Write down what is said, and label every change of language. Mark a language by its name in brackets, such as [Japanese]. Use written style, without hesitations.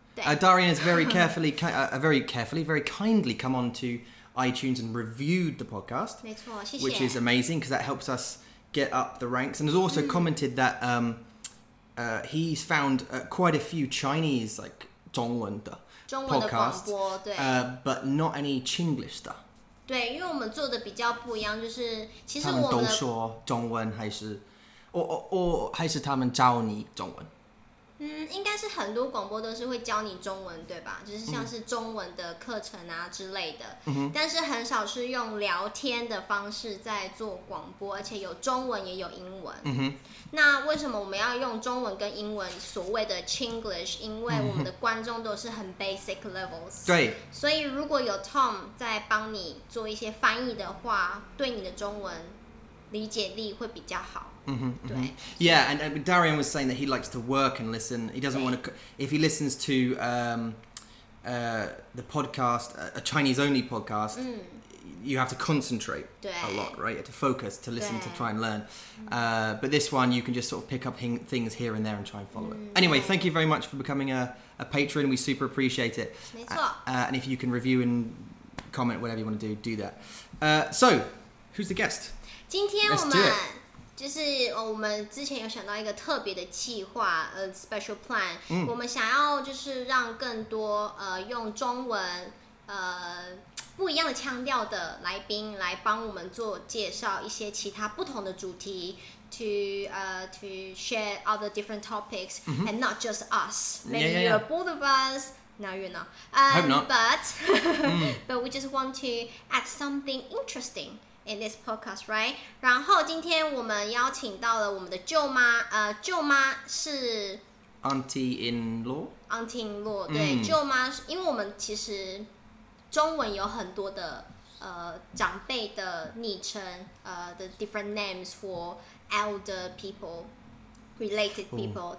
[English] Darian has very carefully, very kindly come on to iTunes and reviewed the podcast. [Chinese] 没错，谢谢。 [English] Which is amazing because that helps us get up the ranks, and has also commented that he's found quite a few Chinese like [Chinese] 中文的 [English] podcast, [Chinese] 中文的广播，对 [English] ，but not any Chinglish 的。 [Chinese] 对，因为我们做的比较不一样，就是其实我们都说中文，还是我还是他们教你中文。应该是很多广播都是会教你中文，对吧？就是像是中文的课程啊之类的，但是很少是用聊天的方式在做广播，而且有中文也有英文。那为什么我们要用中文跟英文所谓的 Chinglish？因为我们的观众都是很 [English] basic levels。 [Chinese] 对。所以如果有 Tom 在帮你做一些翻译的话，对你的中文理解力会比较好。 [English] Yeah, and Darian was saying that he likes to work and listen. He doesn't want to. If he listens to the podcast, a Chinese only podcast, you have to concentrate a lot, right? You have to focus to listen to try and learn. But this one, you can just sort of pick up things here and there and try and follow it. Anyway, thank you very much for becoming a patron. We super appreciate it. And if you can review and comment, whatever you want to do, do that. So, who's the guest? Let's do it. [Chinese] 就是我们之前有想到一个特别的计划， [English] special plan。 [Chinese] 我们想要就是让更多用中文不一样的腔调的来宾来帮我们做介绍一些其他不同的主题 ， [English] to share other different topics and not just us, maybe you're both of us. Now you know. Hope not. But but we just want to add something interesting. In this podcast, right? [Chinese] 然后今天我们邀请到了我们的舅妈，舅妈是 [English] auntie-in-law. Auntie-in-law, [Chinese] 对，舅妈，因为我们其实中文有很多的长辈的昵称， [English] the different names for elder people, related people.